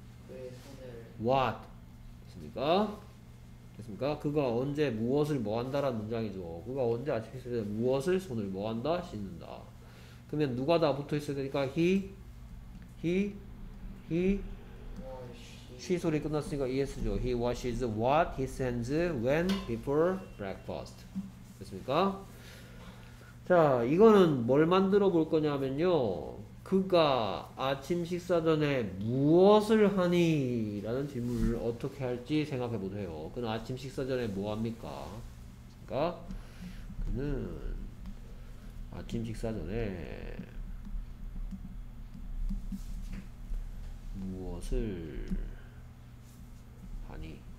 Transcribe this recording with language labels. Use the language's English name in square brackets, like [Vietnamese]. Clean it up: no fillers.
[Korean] 왜 손을? [English] What? [Korean] 됐습니까? 됐습니까? 그가 언제 무엇을 뭐한다 라는 문장이죠. 그가 언제 아침 식사 전에 무엇을 손을 뭐한다? 씻는다. 그러면 누가 다 붙어 있어야 되니까 he? [English] he? [Korean] he? she 소리 끝났으니까 es죠. [English] He washes what, his hands, when, before breakfast. [Korean] 됐습니까? 자, 이거는 뭘 만들어 볼 거냐면요. 그가 아침 식사 전에 무엇을 하니? 라는 질문을 어떻게 할지 생각해 보세요. 그는 아침 식사 전에 뭐 합니까? 그니까, 그는 아침 식사 전에 무엇을 하니?